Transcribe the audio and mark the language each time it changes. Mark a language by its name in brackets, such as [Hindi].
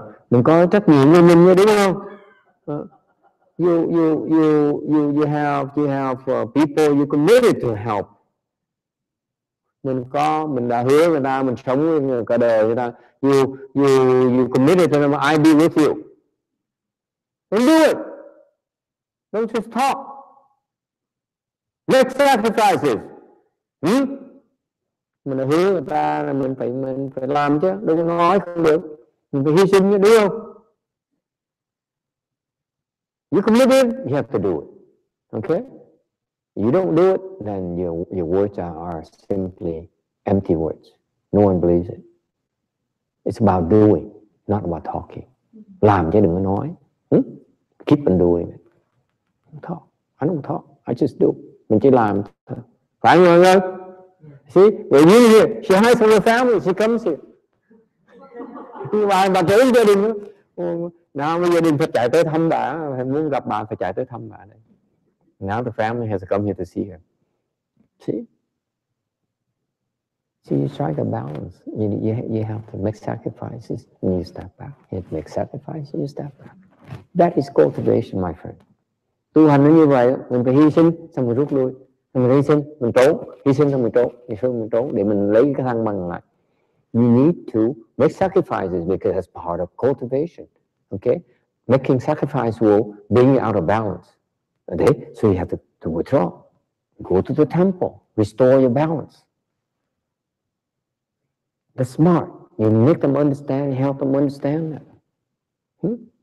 [Vietnamese] Mình có trách nhiệm với mình đúng không? [English] You have people you committed to help. [Vietnamese] Mình đã hứa người ta, mình sống cả đời người ta. [English] You committed to them, I'll be with you. Don't do it. Don't just talk. Make sacrifices. [Vietnamese] Mình là hứa người ta là mình phải làm chứ, đừng có nói không được, mình phải hy sinh chứ, đúng không? [English] You committed, you have to do it, okay? You don't do it, then your words are simply empty words. No one believes it. It's about doing, not about talking. [Vietnamese] Làm chứ đừng có nói. [English] Keep on doing it. I don't talk. I just do. [Vietnamese] Mình chỉ làm thôi. Phải không nhỉ? [English] See, when you here, she hides from her family, she comes here. Why? [Vietnamese] Bà trốn gia đình. Now gia đình phải chạy tới thăm bà, muốn gặp bà phải chạy tới thăm bà. [English] Now the family has come here to see her. See, you strike a balance. You have to make sacrifices and you step back. You have to make sacrifices and you step back. That is cultivation, my friend. [Vietnamese] tu hành nó như vậy, mình phải hy sinh xong rồi rút lui, mình hy sinh mình trốn, hy sinh xong mình trốn, hy sinh mình trốn để mình lấy cái thăng bằng lại. [English] You need to make sacrifices because that's part of cultivation. Okay, making sacrifice will bring you out of balance. Okay, so you have to withdraw, go to the temple, restore your balance. That's smart. You make them understand, help them understand that. Hmm?